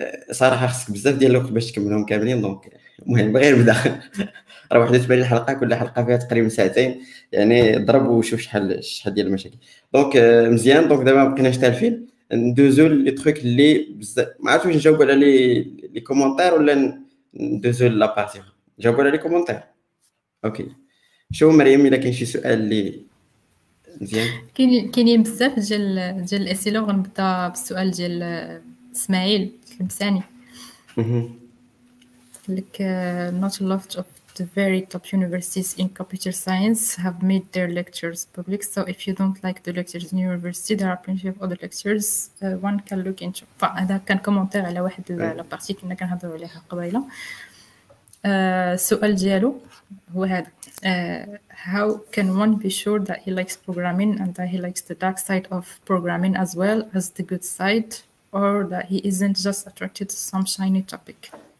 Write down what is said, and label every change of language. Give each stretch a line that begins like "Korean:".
Arabic: صراحه خصك بزاف ديال الوقت باش تكملهم كاملين دونك المهم غير بدا راه 81 حلقه كل حلقه فيها تقريبا ساعتين يعني ضرب وشوف شحال ديال المشاكل دونك مزيان دونك دابا مابقيناش تالفين ندوزو لي تروك اللي بزاف ما عرفتش واش نجاوبو على لي كومونتير ولا ندوزو لا بارتي جاوبو على لي كومونتير اوكي شوف مريم الا كاين شي سؤال اللي مزيان كاينين بزاف ديال الاسئله غنبدا بالسؤال ديال اسماعيل الخمساني
English: Like not a lot of the very top universities in computer science have made their lectures public. So if you don't like the lectures in your university, there are plenty of other lectures. One can look into.
Arabic: هذا كان كومنتير على واحد البارتي كنا كنهضروا عليها قبيلة. السؤال ديالو هو هذا.
English: How can one be sure that he likes programming and that he likes the dark side of programming as well as the good side, or that he isn't just attracted to some shiny topic?